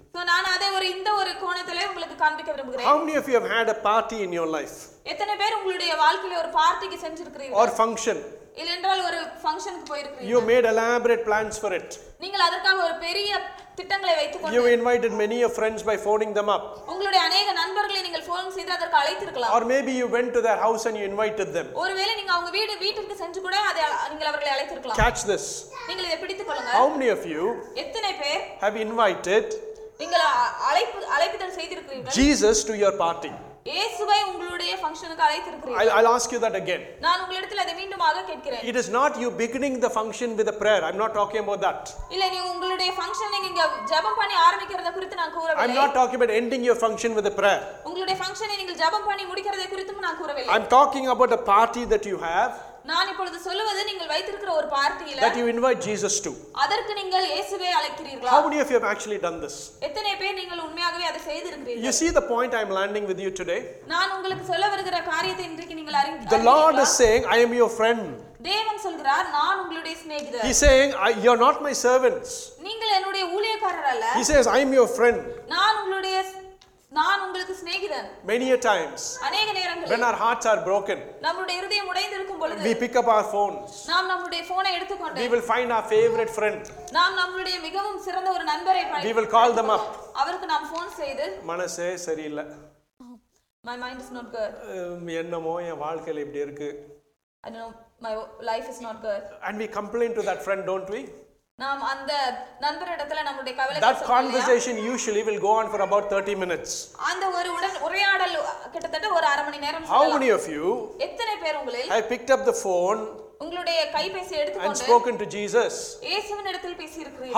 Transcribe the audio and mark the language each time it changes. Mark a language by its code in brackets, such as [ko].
[ta] so நான் அதை ஒரு இந்த ஒரு கோணத்திலே உங்களுக்கு காண்பிக்க விரும்புகிறேன் [en] how many of you have had a party in your life [ta] எத்தனை பேர் உங்களுடைய வாழ்க்கையில ஒரு பார்ட்டிக்கு சென்றிருக்கிறீர்கள் [en] or function [ta] இல்லென்றால் ஒரு ஃபங்க்ஷனுக்கு போயிருக்கீங்க. [en] You made elaborate plans for it. [ta] நீங்கள் அதற்காக ஒரு பெரிய திட்டங்களை வைத்துக்கொண்டு [en] You invited many of friends by phoning them up. [ta] உங்களுடைய अनेक நண்பர்களை நீங்கள் ஃபோன் செய்து அதற்கு அழைத்திருக்கலாம். [en] Or maybe you went to their house and you invited them. [ta] ஒருவேளை நீங்க அவங்க வீட்டுக்கு சென்று கூட அதை நீங்கள் அவர்களை அழைத்திருக்கலாம். [en] Catch this. [ta] நீங்கள் இதை பிடித்துக் கொள்ளுங்க. [en] How many of you [ta] எத்தனை பேர் [en] have invited [ta] நீங்கள் அழைப்பிதழ் செய்திருக்கிறீர்கள் [en] Jesus to your party? [ta] இயேசுவை உங்களுடைய ஃபங்க்ஷனுக்கு அழைத்திருக்கிறீர்கள். [en] I'll ask you that again. [ta] நான் உங்களிடத்தில் அதை மீண்டுமாக கேட்கிறேன். [en] It is not you beginning the function with a prayer. I'm not talking about that. [ta] இல்லை, நீ உங்களுடைய ஃபங்க்ஷனை இங்க ஜெபம் பண்ணி ஆரம்பிக்கிறது குறித்து நான் கூறவில்லை. [en] I'm not talking about ending your function with a prayer. [ta] உங்களுடைய ஃபங்க்ஷனை நீங்கள் ஜெபம் பண்ணி முடிக்கிறது குறித்தும் நான் கூறவில்லை. [en] I'm talking about a party that you have. [ta] நான் இப்பொழுது சொல்வது நீங்கள் வைத்திருக்கிற ஒரு பார்ட்டியில [en] that you invite Jesus to. [ta] அதற்கு நீங்கள் இயேசுவை அழைக்கிறீர்கள். [en] How many of you have actually done this? [ta] எத்தனை பேர் நீங்கள் உண்மையாகவே அதை செய்திருக்கிறீர்கள்? [en] You see the point I'm landing with you today? [ta] நான் உங்களுக்கு சொல்ல வருகிற காரியத்தை இன்றைக்கு நீங்கள் அறிந்து [en] The Lord is saying I am your friend. [ta] தேவன் சொல்கிறார் நான் உங்களுடைய சிநேகிதர். [en] He's saying you are not my servants. [ta] நீங்கள் என்னுடைய ஊழியக்காரர் அல்ல. [en] He says I am your friend. [ta] நான் உங்களுக்கு சிநேகிதன். [en] Many a times. [ta] अनेक நேரங்களில். [en] When our hearts are broken. [ta] நம்முடைய இதயம் உடைந்திருக்கும் பொழுது. [en] We pick up our phones. [ta] நாம் நம்முடைய போனை எடுத்துக்கொண்டு. [en] We will find our favorite friend. [ta] நாம் நம்முடைய மிகவும் சிறந்த ஒரு நண்பரை பாய். [en] We will call them up. [ta] அவருக்கு நாம் போன் செய்து. மனசே சரியில்லை. [en] My mind is not good. [ta] என்னமோ என் வாழ்க்கையில இப்படி இருக்கு. [en] I don't know. My life is not good. And we complain to that friend, don't we? [ta] நாம் அந்த நண்பர் இடத்துல நம்மளுடைய கவலை [en] That conversation usually will go on for about 30 minutes. [ta] அந்த ஒரு உரையாடல் கிட்டத்தட்ட ஒரு அரை மணி நேரம் [en] How many of you [ta] எத்தனை பேர் உங்களில் [en] I picked up the phone [ta] உங்களுடைய கைபேசி எடுத்துக்கொண்டு [en] spoken to Jesus [ta] இயேசுவின் இடத்தில் பேசி இருக்கிறீர்கள்